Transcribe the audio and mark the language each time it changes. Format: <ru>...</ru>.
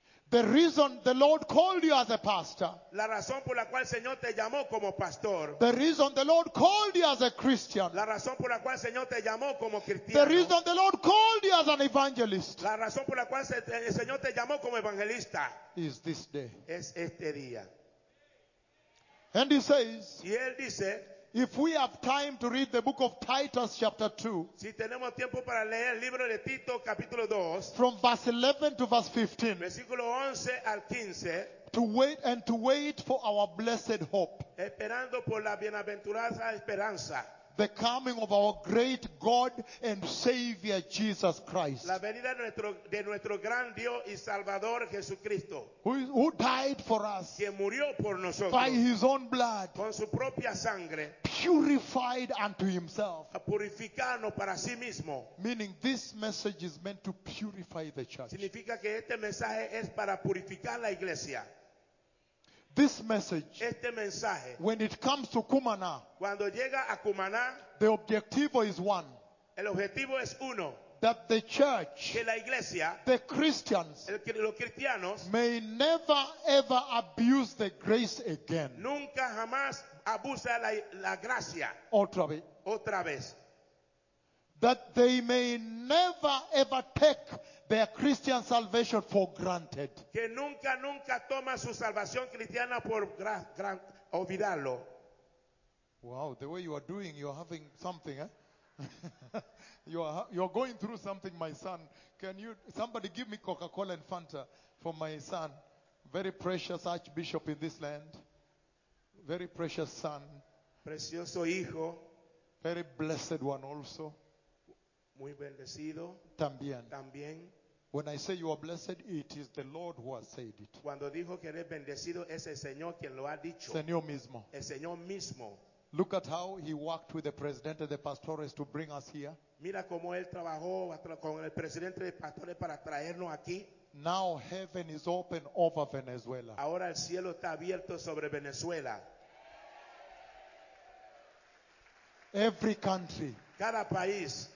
<en>The reason the Lord called you as a pastor.</en> <es>La razón por la cual el Señor te llamó como pastor.</es> <en>The reason the Lord called you as a Christian.</en> <es>La razón por la cual el Señor te llamó como cristiano.</es> <en>The reason the Lord called you as an evangelist.</en> <es>La razón por la cual el Señor te llamó como evangelista.</es> <en>Is this day.</en> <es>Es este día.</es> <en>And he says.</en> <es>Y él dice.</es> <en>If we have time to read the book of Titus chapter 2.</en> <es>Si tenemos tiempo para leer el libro de Tito capítulo 2.</es> <en>From verse 11 to verse 15.</en> <es>Versículo 11 al 15.</es> <en>To wait for our blessed hope.</en> <es>Esperando por la bienaventurada esperanza.</es> <en>The coming of our great God and Savior Jesus Christ.</en> <es>La venida de nuestro gran Dios y Salvador Jesucristo.</es> <en>Who died for us.</en> <es>Que murió por nosotros.</es> <en>By his own blood.</en> <es>Con su propia sangre.</es> <en>Purified unto himself.</en> <es>A purificarnos para sí mismo.</es> <en>Meaning this message is meant to purify the church.</en> <es>Significa que este mensaje es para purificar la iglesia.</es> <en>This message,</en> <es>este mensaje,</es> <en>when it comes to Cumaná,</en> <es>cuando llega a Cumaná,</es> <en>the objective is one.</en> <es>El objetivo es uno,</es> <en>that the church,</en> <es>que la iglesia,</es> <en>the Christians,</en> <es>los cristianos,</es> <en>may never ever abuse the grace again.</en> <es>Nunca jamás abusa la gracia. Otra vez.</es> <en>That they may never ever take their Christian salvation for granted.</en> <es>Que nunca toma su salvación cristiana por gran olvidarlo.</es> <en>Wow, the way you are doing, you are having something, eh? you are going through something, my son. Can you, somebody give me Coca-Cola and Fanta for my son. Very precious archbishop in this land. Very precious son.</en> <es>Precioso hijo.</es> <en>Very blessed one also.</en> <es>Muy bendecido. También.</es> <en>When I say you are blessed, it is the Lord who has said it.</en> <es>Cuando dijo que eres bendecido, es el Señor quien lo ha dicho. Señor mismo. El Señor mismo.</es> <en>Look at how he worked with the president and the pastores to bring us here.</en> <es>Mira cómo él trabajó con el presidente de pastores para traernos aquí.</es> <en>Now heaven is open over Venezuela.</en> <es>Ahora el cielo está abierto sobre Venezuela.</es> <en>Every country.</en> <es>Cada país.</es>